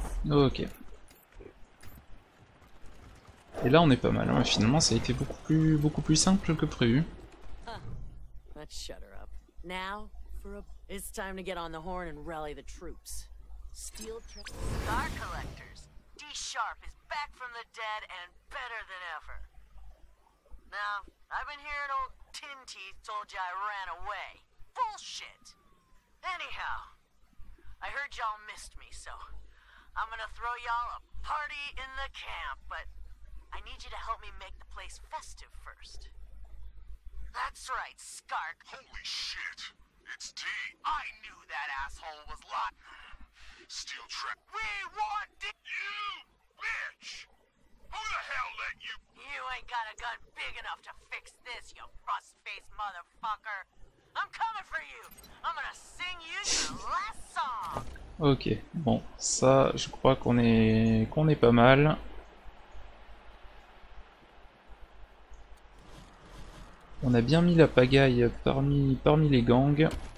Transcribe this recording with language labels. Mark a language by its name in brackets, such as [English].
[French] Ok. Et là on est pas mal, hein. Finalement ça a été beaucoup plus simple que prévu. [English] Let's shut her up. Now, for a... It's time to get on the horn and rally the troops. Steel Star Collectors. D Sharp is back from the dead and better than ever. Now, I've been hearing old Tin Teeth told you I ran away. Bullshit. Anyhow, I heard y'all missed me, so I'm gonna throw y'all a party in the camp, but I need you to help me make the place festive first. That's right, Skark. Holy shit! It's D. I knew that asshole was lot. Steel Trap. We want D. You bitch! Who the hell let you? You ain't got a gun big enough to fix this, you rust-faced motherfucker. I'm coming for you. I'm gonna sing you your last song. [French] Ok. Bon, ça, je crois qu'on est pas mal. On a bien mis la pagaille parmi les gangs.